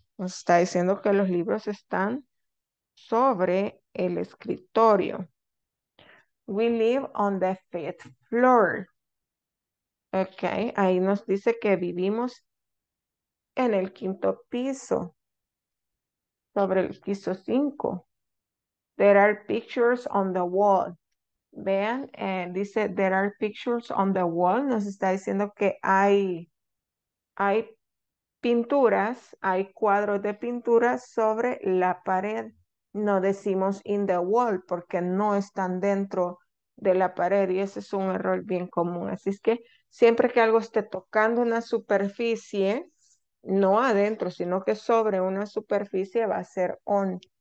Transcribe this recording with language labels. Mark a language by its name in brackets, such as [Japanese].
[Spanish] Nos está diciendo que los libros están sobre el escritorio. [English] We live on the fifth floor. [Spanish] Ok, ahí nos dice que vivimos en el quinto piso, sobre el piso 5. [English] There are pictures on the wall. [Spanish] Vean, dice [English] there are pictures on the wall. [Spanish] Nos está diciendo que hay pinturas, hay cuadros de pintura sobre la pared. No decimos [English] in the wall [Spanish] porque no están dentro de la pared y ese es un error bien común. Así es que siempre que algo esté tocando una superficie, no adentro, sino que sobre una superficie va a ser on.